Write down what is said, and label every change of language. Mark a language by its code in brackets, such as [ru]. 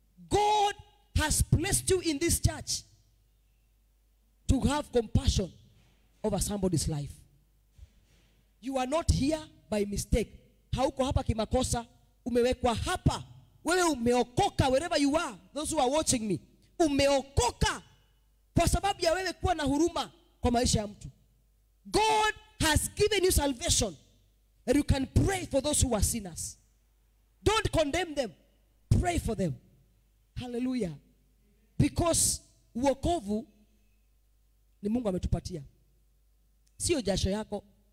[en] God has placed you in this church to have compassion over somebody's life. You are not here by mistake. [sw] Hauko hapa kimakosa, umewekwa hapa. Wewe umeokoka [en] wherever you are, those who are watching me. [sw] Umeokoka kwa sababu ya wewe kuwa na huruma kwa maisha ya mtu. [en] God has given you salvation that you can pray for those who are sinners. Don't condemn them. Pray for them. Hallelujah. Because [sw] wokovu ni Mungu ametupatia. Sio jasho yako.